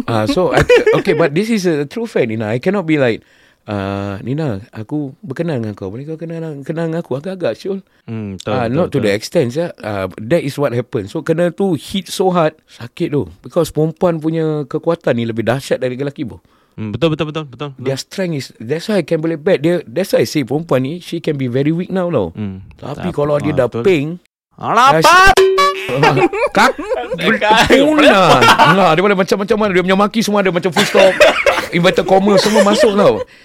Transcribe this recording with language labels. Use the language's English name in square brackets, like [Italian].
[English] So, but this is a true fact, Dina. I cannot be like, Nina, [Malay] aku berkenan dengan kau. Boleh kau kenal dengan aku? Agak-agak, [English] Syul. The extent, ya. That is what happened. [Malay] So, kena tu [English] hit so hard, [Malay] sakit tu. Because perempuan punya kekuatan ni lebih dahsyat dari lelaki, bro. Betul. [English] Their strength is, that's why I can boleh bet. That's why I say [Malay] perempuan ni, [English] she can be very weak now, [Malay] tau. Tapi kalau dia dah ping, alamak! Kak, berpuna. Dia boleh macam-macam mana. Dia punya maki semua ada macam [English] full stop. Inverted comma [Malay] semua masuk tau.